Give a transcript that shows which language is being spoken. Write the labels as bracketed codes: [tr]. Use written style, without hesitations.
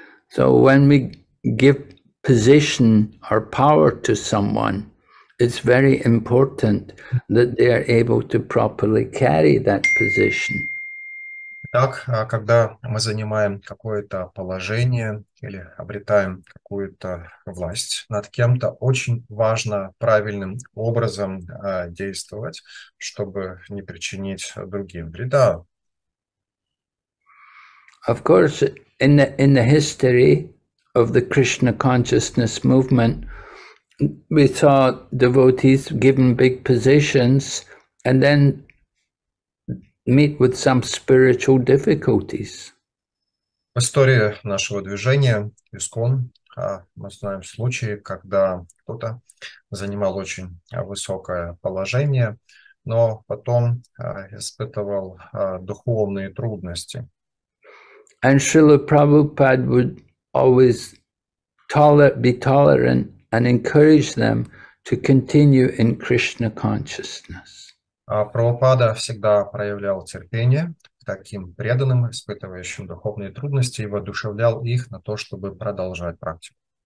[en] So when we give position or power to someone, it's very important that they are able to properly carry that position. [ru] Так, когда мы занимаем какое-то положение или обретаем какую-то власть над кем-то, очень важно правильным образом действовать, чтобы не причинить другим вреда. [en] Of course, in the history of the Krishna consciousness movement, we saw devotees given big positions and then meet with some spiritual difficulties. [ru] В истории нашего движения ИСКОН мы знаем случаи, когда кто-то занимал очень высокое положение, но потом испытывал духовные трудности. [en] And Srila Prabhupada would always be tolerant and encourage them to continue in Krishna consciousness. [ru] Прабхупада всегда проявлял терпение к таким преданным, испытывающим духовные трудности, и воодушевлял их на то, чтобы продолжать практику.